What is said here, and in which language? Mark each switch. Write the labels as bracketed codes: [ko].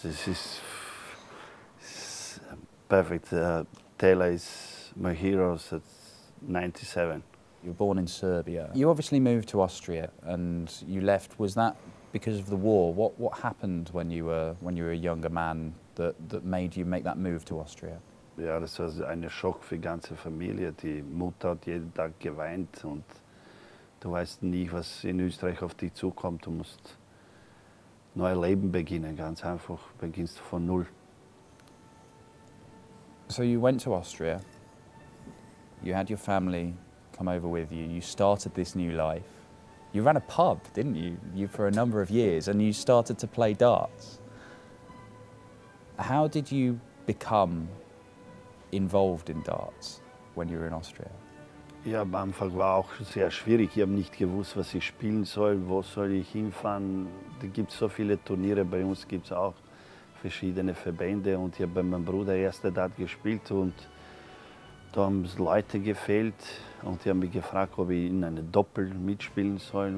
[en] This is perfect. Taylor is my hero at 97. You were born in Serbia. You obviously moved to Austria and you left. Was that because of the war? What happened when you were a younger man that made you make that move to Austria? [de] Ja, das war ein Schock für die ganze Familie. Die Mutter hat jeden Tag geweint und du weißt nie, was in Österreich auf dich zukommt. Du musst ein neues Leben beginnen, ganz einfach. Beginnst du von null. [en] So you went to Austria, you had your family come over with you, you started this new life. You ran a pub, didn't you? You for a number of years, and you started to play darts. How did you become involved in darts when you were in Austria? [de] Ja, am Anfang war auch sehr schwierig. Ich habe nicht gewusst, was ich spielen soll. Wo soll ich hinfahren? Da gibt es so viele Turniere. Bei uns gibt es auch verschiedene Verbände. Und ich habe bei meinem Bruder erste Dart gespielt und da haben es Leute gefehlt und die haben mich gefragt, ob ich in eine Doppel mitspielen soll.